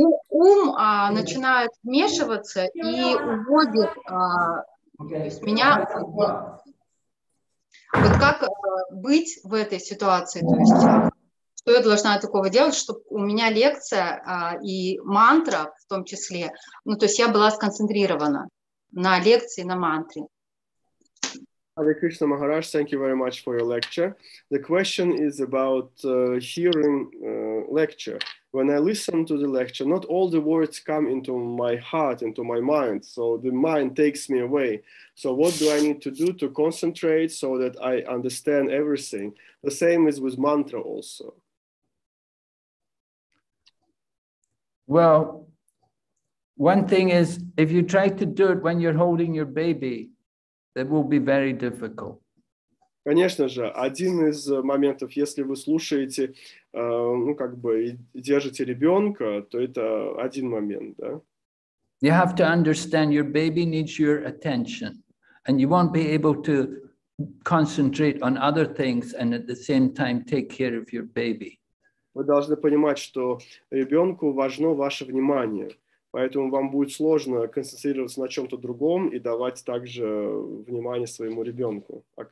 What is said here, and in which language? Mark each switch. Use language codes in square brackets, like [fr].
[ru] Ум начинает вмешиваться и уводит меня. Вот как быть в этой ситуации? То есть, что я должна такого делать, чтобы у меня лекция и мантра в том числе, ну, то есть я была сконцентрирована на лекции, на мантре. [en] Hare Krishna Maharaj, thank you very much for your lecture. The question is about hearing lecture. When I listen to the lecture, not all the words come into my heart, into my mind. So the mind takes me away. So what do I need to do to concentrate so that I understand everything? The same is with mantra also. Well, one thing is, if you try to do it when you're holding your baby, that will be very difficult. [ru] Конечно же, один из моментов, если вы слушаете, ну как бы держите ребенка, то это один момент, да? [en] You have to understand your baby needs your attention, and you won't be able to concentrate on other things and at the same time take care of your baby. [ru] Вы должны понимать, что ребенку важно ваше внимание. Поэтому вам будет сложно концентрироваться на чем-то другом и давать также внимание своему ребенку,